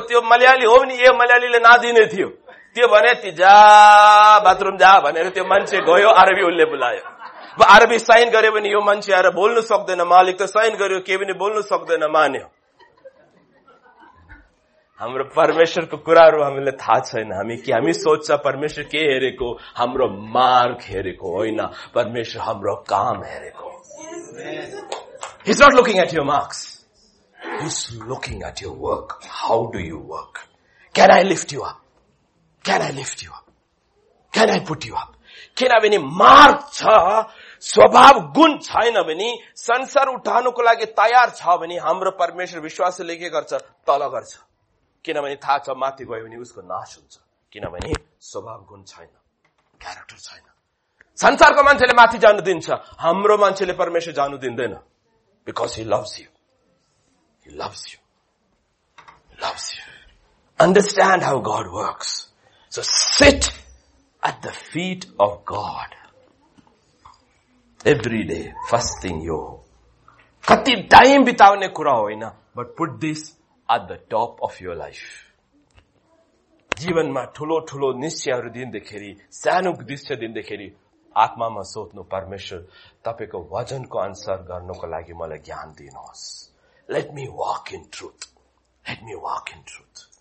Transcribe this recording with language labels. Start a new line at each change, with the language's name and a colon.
Nepali: त्यो मलयाली हो भने ए मलयालीले नादिने थियो, त्यो भने ती जा बाथरुम जा भनेर त्यो मान्छे गयो, अरबी उसले बोलायो। अरबी साइन गरे भने यो मान्छे आएर बोल्नु सक्दैन, मालिक त साइन गर्यो, केही पनि बोल्नु सक्दैन, मान्यो। हाम्रो परमेश्वरको कुराहरू हामीले थाहा छैन। हामी के हामी सोच्छ परमेश्वर के हेरेको? हाम्रो मार्क हेरेको होइन, परमेश्वर हाम्रो काम हेरेको।
English: He's not looking at your marks. He's looking at your work. How do you work? Can I lift you up? Can I lift you up? Can I put you up?
Nepali: किनभने mark छ, स्वभाव गुण छैन भने, संसार उठाउनको लागि तयार छ भने, हाम्रो परमेश्वर विश्वासले के गर्छ? तल गर्छ। किनभने थाहा छ, माथि गयो भने उसको नाश हुन्छ। किनभने स्वभाव गुण छैन, क्यारेक्टर छैन। संसारको मान्छेले माथि जानु दिन्छ, हाम्रो मान्छेले परमेश्वर जानु दिँदैन।
English: Because he loves you. He loves you. He loves you. Understand how God works. So sit at the feet of God. Every day, first thing you know.
Nepali: Kati time bitaune kura hoina,
English: but put this at the top of your life.
Nepali: Jeevanma thulo thulo nischayaharu dindakheri, sano nischay dindakheri, आत्मामा सोध्नु, परमेश्वर तपाईँको वचनको अनुसार गर्नुको लागि मलाई ज्ञान दिनुहोस्।
English: Let me walk in truth, let me walk in truth.